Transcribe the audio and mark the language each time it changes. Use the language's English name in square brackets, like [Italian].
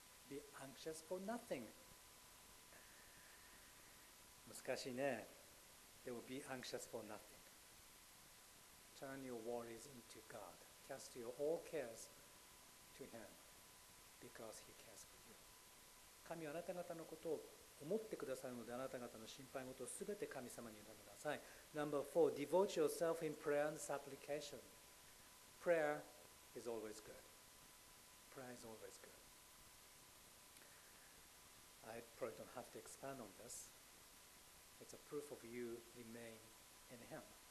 [English] Be anxious for nothing. [Japanese] 難しいね。 [English] They will be anxious for nothing. Turn your worries into God. Cast your all cares to Him because He cares for you. [Japanese] 神はあなた方のことを思ってくださるので、あなた方の心配事をすべて神様に委ねてください。 [English] Number four, devote yourself in prayer and supplication. Prayer is always good. Prayer is always good. I probably don't have to expand on this. It's a proof of you remain in Him.